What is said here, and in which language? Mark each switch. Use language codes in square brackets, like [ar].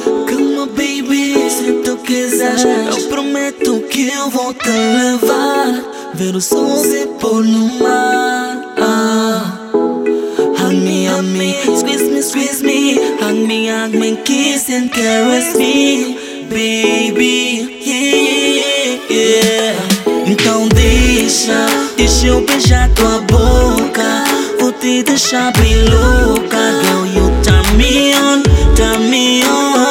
[en] Come on, baby, [pt] se tu quiseres, eu prometo que eu vou te levar. Ver o sol se pôr no mar. [en] Hug me, squeeze me. Hug me, kiss and caress me. Baby, yeah, yeah. [pt] Então deixa eu beijar tua boca. Vou te deixar bem louca. [en] Girl, you turn me on, turn me on.